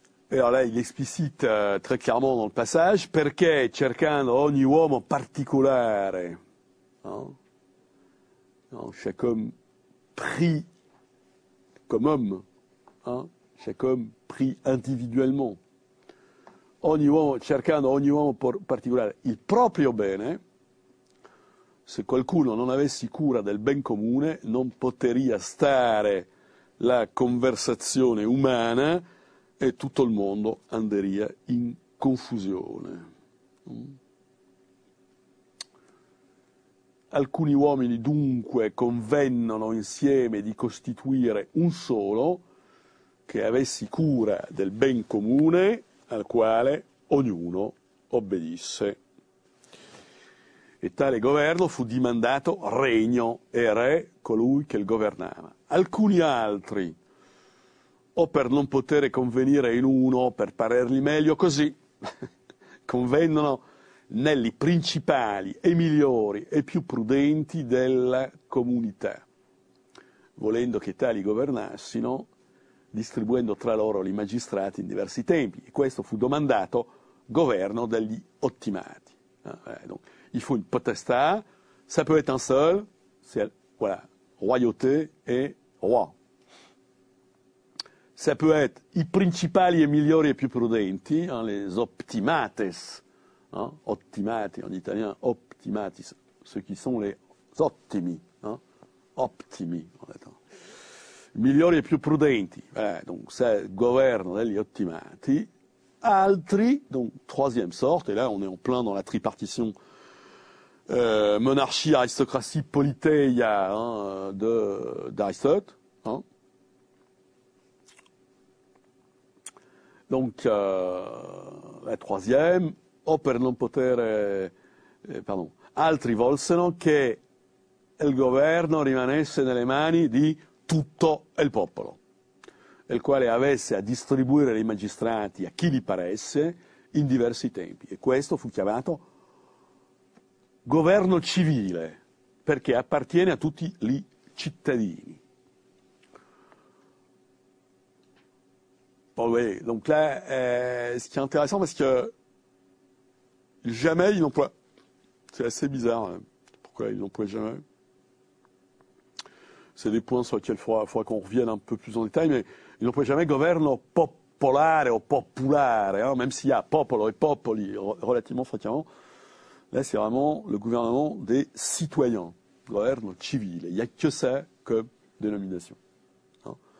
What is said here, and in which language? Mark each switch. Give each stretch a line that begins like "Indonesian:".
French: Et alors là, il explicite très clairement dans le passage «
Italian: Perché cercando ogni uomo particolare
French: hein? » Chaque homme pris comme homme, chaque homme pris individuellement.
Italian: Ogni uomo, cercando ogni uomo particolare, il proprio bene, se qualcuno non avesse cura del ben comune, non poteria stare la conversazione umana e tutto il mondo andrebbe in confusione. Alcuni uomini dunque convennero insieme di costituire un solo che avesse cura del ben comune al quale ognuno obbedisse. E tale governo fu dimandato regno e re colui che il governava. Alcuni altri, o per non poter convenire in uno, per parergli meglio così, convennero negli principali e migliori e più prudenti della comunità, volendo che tali governassino, distribuendo tra loro i magistrati in diversi tempi. E questo fu domandato governo degli ottimati.
French: Donc, il faut une potestà, ça peut être un seul, c'est Voilà, royauté et roi. Ça peut être
Italian: i principali e migliori e più prudenti,
French: hein, les optimates, hein, optimati en italien, optimatis, ceux qui sont les ottimi, hein, optimi en latin.
Italian: Migliori e più prudenti,
French: donc ça gouverne les ottimati.
Italian: Altri,
French: donc troisième sorte, et là on est en plein dans la tripartition monarchie, aristocratie, politeia, hein, d'Aristote. Hein. Donc, la troisième,
Italian: o per non potere,
French: pardon,
Italian: altri volsero che il governo rimanesse nelle mani di tutto il popolo, il quale avesse a distribuire i magistrati a chi gli paresse in diversi tempi. E questo fu chiamato governo civile, perché appartiene a tutti i cittadini.
French: Bon, oui, donc là, ce qui est intéressant, parce que jamais ils n'emploient, c'est assez bizarre, hein, pourquoi ils n'emploient jamais, c'est des points sur lesquels il faudra qu'on revienne un peu plus en détail, mais ils n'emploient jamais
Italian: governo popolare
French: ou populare, hein, même s'il y a popolo et popoli relativement fréquemment, là c'est vraiment le gouvernement des citoyens,
Italian: governo civile,
French: il n'y a que ça comme dénomination. Hein.